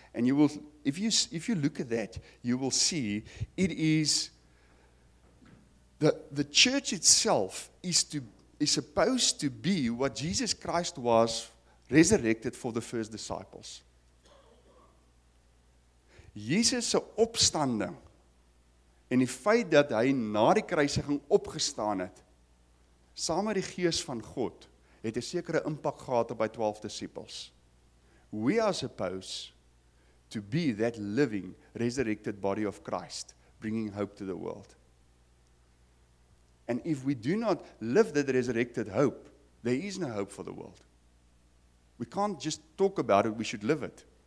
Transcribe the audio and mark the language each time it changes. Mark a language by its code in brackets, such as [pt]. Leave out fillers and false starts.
[en] And you will, if you look at that, you will see it is the church itself is supposed to be what Jesus Christ was resurrected for the first disciples. [af] Jesus se opstanding en die feit dat hy na die kruisiging opgestaan het, saam met die Gees van God, het 'n sekere impak gehad op by 12 disciples. [en] We are supposed to be that living, resurrected body of Christ, bringing hope to the world. And if we do not live that resurrected hope, there is no hope for the world. We can't just talk about it, we should live it.